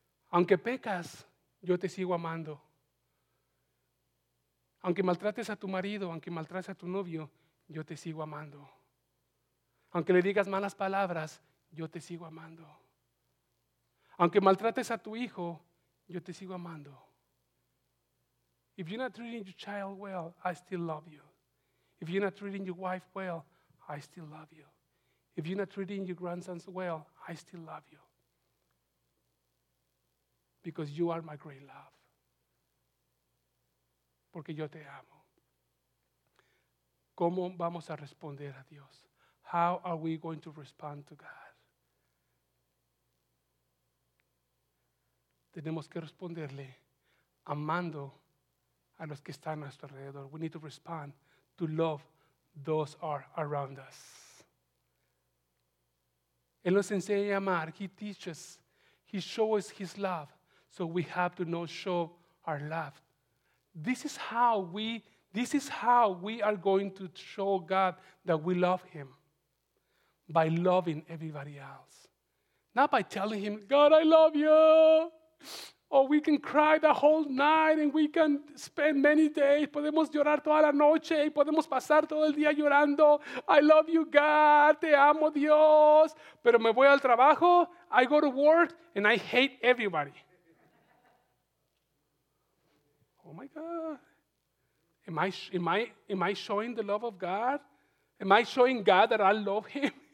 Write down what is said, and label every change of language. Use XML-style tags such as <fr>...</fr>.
<es>Aunque pecas, yo te sigo amando. Aunque maltrates a tu marido, aunque maltrates a tu novio, yo te sigo amando. Aunque le digas malas palabras, yo te sigo amando. Aunque maltrates a tu hijo, yo te sigo amando.</es> <en>If you're not treating your child well, I still love you. If you're not treating your wife well, I still love you. If you're not treating your grandsons well, I still love you. Because you are my great love.</en> <es>Porque yo te amo. ¿Cómo vamos a responder a Dios?</es> <en>How are we going to respond to God?</en> <es>Tenemos que responderle amando a los que están a nuestro alrededor.</es> <en>We need to respond to love those are around us.</en> <es>Él nos enseña a amar.</es> <en>He teaches. He shows his love. So we have to not show our love. This is how we are going to show God that we love him. By loving everybody else. Not by telling him, God, I love you. Or we can cry the whole night and we can spend many days.</en> <es>Podemos llorar toda la noche y podemos pasar todo el día llorando.</es> <en>I love you, God.</en> <es>Te amo, Dios. Pero me voy al trabajo.</es> <en>I go to work and I hate everybody. Oh, my God. Am I showing the love of God? Am I showing God that I love him?</en>